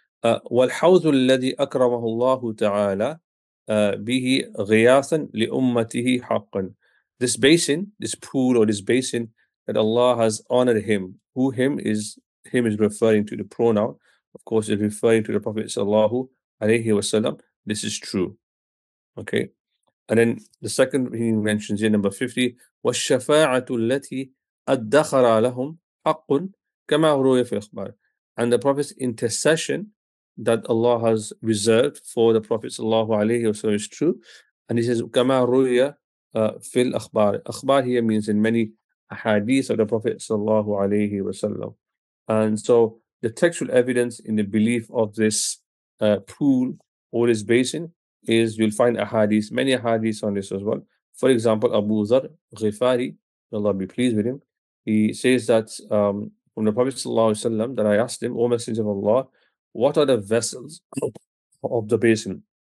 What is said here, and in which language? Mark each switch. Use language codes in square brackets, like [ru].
[ar] وَالْحَوْذُ الَّذِي أَكْرَمَهُ اللَّهُ تَعَالَى بِهِ غِيَاثًا لِأُمَّتِهِ حَقًّا. [en] This basin, this pool or this basin that Allah has honored him. Who him is referring to the pronoun. Of course, it's referring to the Prophet sallallahu alayhi wa sallam. This is true. Okay. And then the second he mentions here, number 50, [ar] وَالشَّفَاعَةُ الَّتِي أَدَّخَرَ لَهُمْ حَقٌ كَمَا رُوِيَ فِي الْأَخْبَارِ. [en] And the Prophet's intercession that Allah has reserved for the Prophet sallallahu alayhi wa sallam is true. And he says, [ar] كَمَا رُوِيَ فِي الْأَخْبَارِ. [en] Akhbar here means in many hadith of the Prophet sallallahu alayhi wa sallam. And so the textual evidence in the belief of this pool or this basin is, you'll find ahadith, many ahadith on this as well. For example, Abu Dharr Ghifari, may Allah be pleased with him, he says that from the Prophet sallallahu alayhi wa sallam, that I asked him, O Messenger of Allah, what are the vessels of the basin?